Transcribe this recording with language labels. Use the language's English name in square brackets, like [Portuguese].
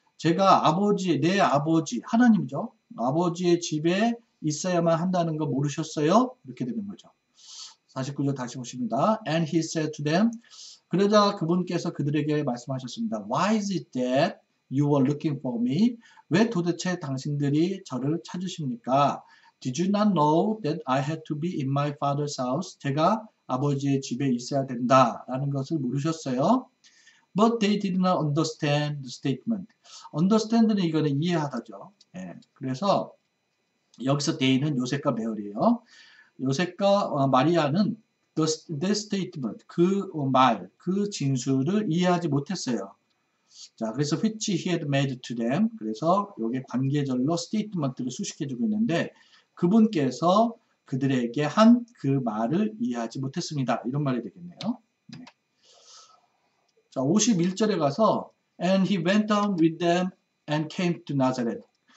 [Korean] 제가 아버지, 내 아버지, 하나님이죠. 아버지의 집에 있어야만 한다는 거 모르셨어요? 이렇게 되는 거죠. 49절 다시 보십니다. [English] And he said to them. [Korean] 그러자 그분께서 그들에게 말씀하셨습니다. [English] Why is it that you were looking for me? [Korean] 왜 도대체 당신들이 저를 찾으십니까? [English] Did you not know that I had to be in my father's house? [Korean] 제가 아버지의 집에 있어야 된다라는 것을 모르셨어요? [English] But they did not understand the statement. Understand는 [Korean] 이거는 이해하다죠. 예, 그래서 여기서 데이는 요셉과 메어리예요. 요셉과 마리아는 [English] the statement, [Korean] 그 말, 그 진술을 이해하지 못했어요. 자, 그래서 [English] which he had made to them. [Korean] 그래서 요게 관계절로 statement를 수식해주고 있는데 그분께서 그들에게 한그 말을 이해하지 못했습니다. 이런 말이 되겠네요. 네. 자, 51절에 가서 [English] and he went down with them and came to Nazareth.